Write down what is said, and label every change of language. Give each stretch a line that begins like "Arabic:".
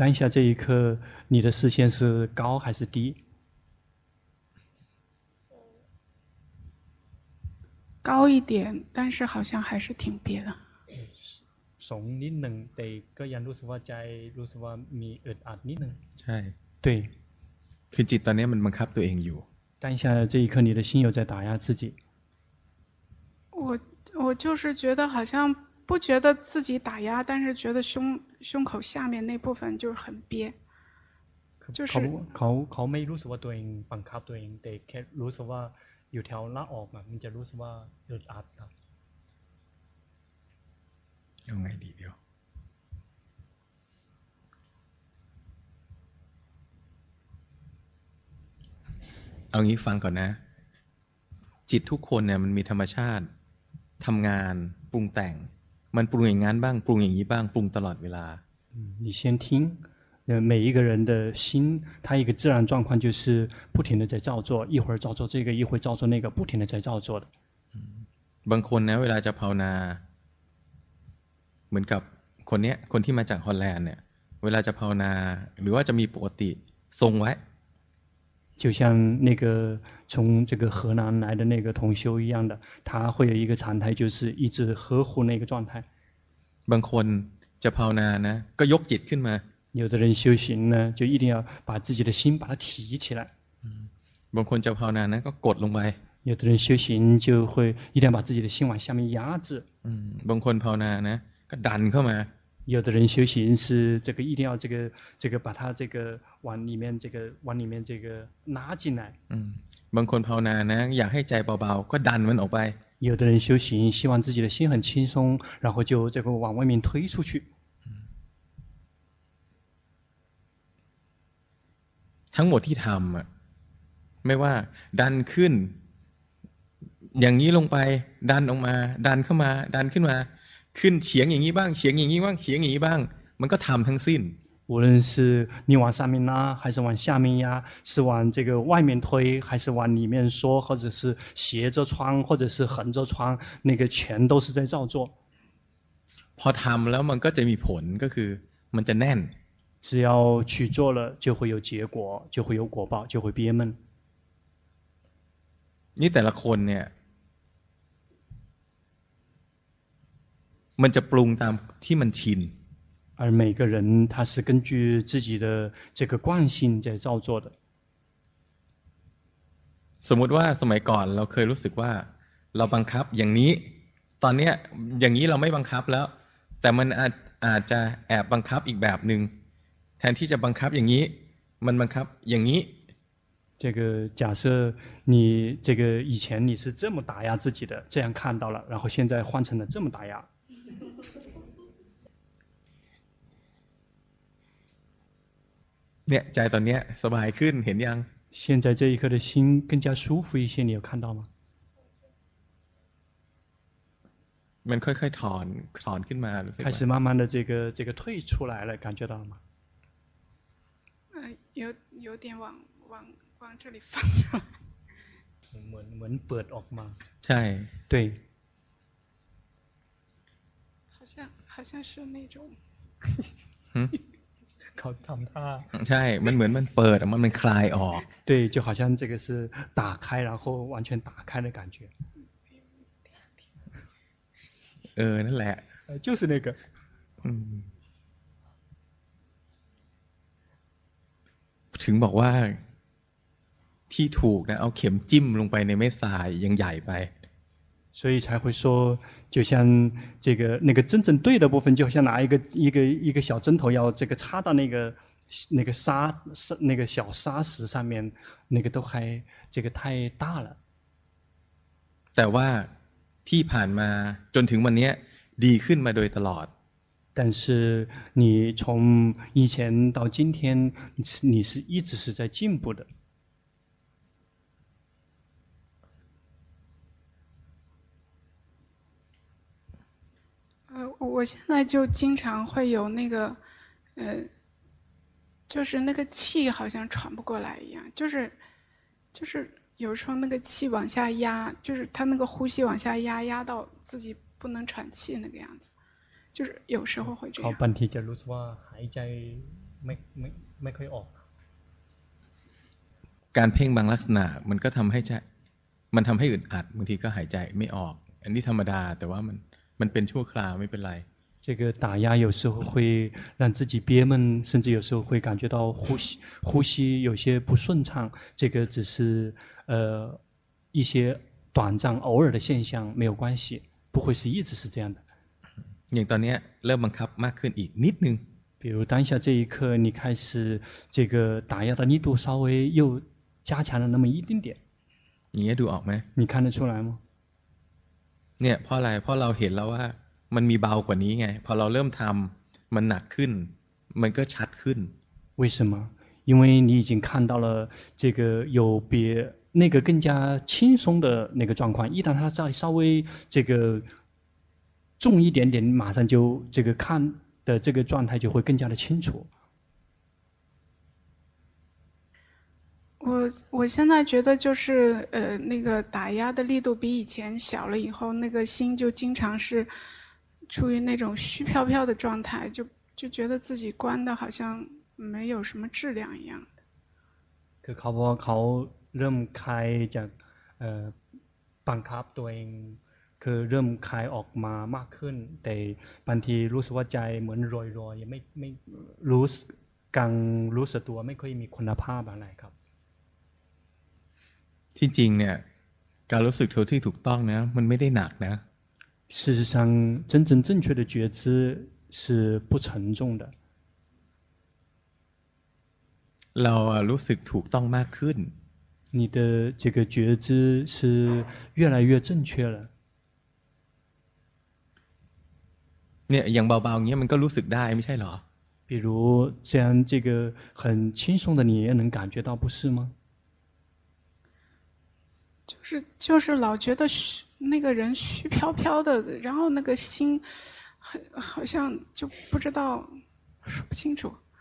Chinese: 当下这一刻你的视线是高还是低高一点但是好像还是挺憋的
Thai: สงนิดหนึ่งแต่ก็ยังรู้สึกว่าใจรู้สึกว่ามีอึดอัดนิดหนึ่ง ใช่ ตุ้ย คือจิตตอนนี้มันบังคับตัวเองอยู่
Chinese: 当下这一刻你的心有在打压自己我就是觉得好像不觉得自己打压但是觉得胸口下面那部分就是很憋就是
Thai: เขาไม่รู้สึกว่าตัวเองบังคับตัวเองแต่แค่รู้สึกว่าอยู่แถวหน้าอกมันจะรู้สึกว่าอึดอัด ยังไงดีเดียวเอางี้ฟังก่อนนะจิตทุกคนเนี่ยมันมีธรรมชาติทำงานปรุงแต่งมันปรุงอย่างนั้นบ้างปรุงอย่างนี้บ้างปรุงตลอดเวลา
Chinese: 你先听每一个人的心它一个自然状况就是不停的在造作一会儿造作这个一会儿造作那个不停的在造作的
Thai: บางคนนะเวลาจะภาวนาเหมือนกับคนเนี้ยคนที่มาจากฮอลแลนด์เนี่ยเวลาจะภาวนาหรือว่าจะมีปกติทรงไว้
Chinese: 就像那个从这个河南来的那个同修一样的他会有一个常态就是一直呵护那个状态
Thai: บางคนจะภาวนานะก็ยกจิตขึ้นมา
Chinese: 有的人修行呢就一定要把自己的心把它提起来
Thai: บางคนจะภาวนานะก็กดลงไป
Chinese: 有的人修行就会一定要把自己的心往下面压制
Thai: บางคนภาวนานะก็ดันเข้ามา
Chinese: 有的人修行是这个一定要这个把它这个往里面这个往里面这个拉进来
Thai: บางคนภาวนานะอยากให้ใจเบาๆก็ดันมันออกไป
Chinese: 有的人修行希望自己的心很轻松然后就这个往外面推出去
Thai: ทั้งหมดที่ทำไม่ว่าดันขึ้นอย่างนี้ลงไปดันออกมาดันเข้ามาดันขึ้นมาขึ้นเฉียงอย่างนี้บ้างเฉียงอย่างนี้บ้างเฉียงอย่างนี้บ้างมันก็ทำทั้งสิ้น
Chinese: 无论是你往上面拉还是往下面压是往这个外面推还是往里面缩或者是斜着穿或者是横着穿那个全都是在照做
Thai: พอทำแล้วมันก็จะมีผลก็คือมันจะแน่น
Chinese: 只要去做了就会有结果就会有果报就会憋闷
Thai: นี่แต่ละคนเนี่ยมันจะปรุงตามที่มันชิน
Chinese: 而每个人他是根据自己的这个惯性在照做的
Thai: สมมติว่าสมัยก่อนเราเคยรู้สึกว่าเราบังคับอย่างนี้ตอนนี้อย่างนี้เราไม่บังคับแล้วแต่มันอาจจะแอบบังคับอีกแบบนึงแทนที่จะบังคับอย่างนี้มันบังคับอย่างนี้
Chinese: 这个假设你这个以前你是这么打压自己的这样看到了然后现在换成了这么打压
Thai: เนี่ยใจตอนเนี้ยสบายขึ้นเห็นยัง
Chinese: 现在这一刻的心更加舒服一些你有看到吗
Thai: มันค่อยๆถอนขึ้นมา
Chinese: 开始慢慢的这个退出来了感觉到了吗有点往这里放上
Thai: เหมือนเปิดออกมา ใช่
Chinese: 对好像是那种
Thai: เขาทำท่า ใช่มันเหมือนมันเปิดมันคลายออก
Chinese: 对就好像这个是打开然后完全打开的感觉
Thai: เออนั่นแหละ
Chinese: 就是那个
Thai: ถึงบอกว่าที่ถูกนะเอาเข็มจิ้มลงไปในเม็ดทรายยังใหญ่ไป
Chinese: 所以才会说就像这个那个真正对的部分就像拿一个小针头要这个插到那个沙那个小沙石上面那个都还这个太大了
Thai: แต่ว่าที่ผ่านมาจนถึงวันนี้ดีขึ้นมาโดยตลอด
Chinese: 但是你从以前到今天你是一直是在进步的我现在就经常会有那个就是那个气好像喘不过来一样就是有时候那个气往下压就是他那个呼吸往下压压到自己不能喘气那个样子就是有时候会这样好半天就如此话还在没可以哦
Thai: การเพ่งบางลักษณะมันก็ทำให้ใจมันทำให้อึดอัดบางทีก็หายใจไม่ออกอันนี้ธรรมดาแต่ว่ามันเป็นชั่วคราวไม่เป็นไร
Chinese: 这个打压有时候会让自己憋闷甚至有时候会感觉到呼吸有些不顺畅这个只是一些短暂偶尔的现象没有关系不会是一直是这样的
Thai: อย่างตอนนี้เริ่มบังคับมากขึ้นอีกนิดนึง
Chinese: 比如当下这一刻你开始这个打压的力度稍微又加强了那么一丁点你也
Thai: ดูออกไหม
Chinese: 你看得出来吗
Thai: เนี่ยเพราะอะไรเพราะเราเห็นแล้วว่ามันมีเบากว่านี้ไงพอเราเริ่มทำมันหนักขึ้นมันก็ชัดขึ้น
Chinese: 为什么因为你已经看到了这个有比那个更加轻松的那个状况一旦它再稍微这个重一点点马上就这个看的这个状态就会更加的清楚我现在觉得就是那个打压的力度比以前小了以后那个心就经常是处于那种虚飘飘的状态就觉得自己关的好像没有什么质量一样
Thai: คือเขาเริ่มคลายจากบังคับตัวเองคือเริ่มคลายออกมามากขึ้นแต่บางทีรู้สึกว่าใจเหมือนรอยๆยังไม่รู้กังรู้สึกตัวไม่ค่อยมีคุณภาพอะไรครับ ที่จริงเนี่ยการรู้สึกเท่าที่ถูกต้องนะมันไม่ได้หนักนะ
Chinese: 事实上真正正确的觉知是不沉重的
Thai: เรารู้สึกถูกต้องมากขึ้น
Chinese: 你的这个觉知是越来越正确了
Thai: เนี่ยอย่างเบาๆอย่างเงี้ยมันก็รู้สึกได้ไม่ใช่เหรอ
Chinese: 比如这样这个很轻松的你也能感觉到不是吗就是老觉得那个人虚飘飘的然后那个心好像就不知道说不清楚